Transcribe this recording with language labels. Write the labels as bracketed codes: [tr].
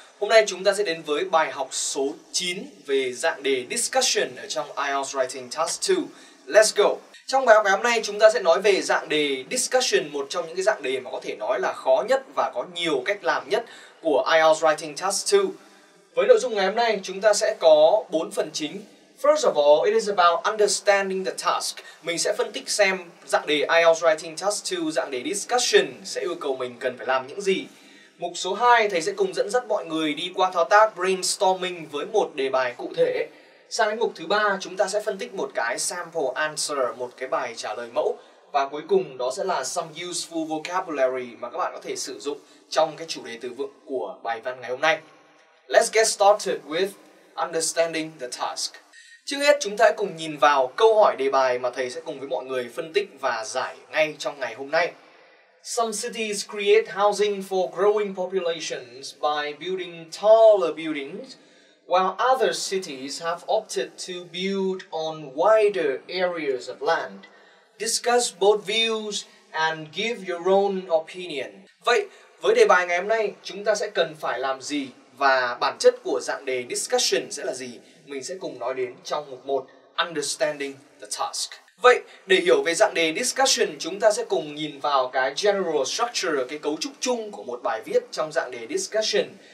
[vi] Hôm nay chúng ta sẽ đến với bài học số 9 về dạng đề Discussion ở trong IELTS Writing Task 2. [en] Let's go! [vi] Trong bài học ngày hôm nay chúng ta sẽ nói về dạng đề Discussion, một trong những cái dạng đề mà có thể nói là khó nhất và có nhiều cách làm nhất của IELTS Writing Task 2. Với nội dung ngày hôm nay chúng ta sẽ có 4 phần chính. [en] First of all, it is about understanding the task. [vi] Mình sẽ phân tích xem dạng đề IELTS Writing Task 2, dạng đề Discussion sẽ yêu cầu mình cần phải làm những gì. Mục số 2, thầy sẽ cùng dẫn dắt mọi người đi qua thao tác brainstorming với một đề bài cụ thể. Sang đến mục thứ 3, chúng ta sẽ phân tích một cái sample answer, một cái bài trả lời mẫu. Và cuối cùng đó sẽ là [en] some useful vocabulary [vi] mà các bạn có thể sử dụng trong cái chủ đề từ vựng của bài văn ngày hôm nay. [en] Let's get started with understanding the task. [vi] Trước hết, chúng ta hãy cùng nhìn vào câu hỏi đề bài mà thầy sẽ cùng với mọi người phân tích và giải ngay trong ngày hôm nay. [en] Some cities create housing for growing populations by building taller buildings, while other cities have opted to build on wider areas of land. Discuss both views and give your own opinion. [vi] Vậy, với đề bài ngày hôm nay, chúng ta sẽ cần phải làm gì? Và bản chất của dạng đề discussion sẽ là gì? Mình sẽ cùng nói đến trong mục 1, Understanding the Task. Vậy, để hiểu về dạng đề discussion, chúng ta sẽ cùng nhìn vào cái general structure, cái cấu trúc chung của một bài viết trong dạng đề discussion.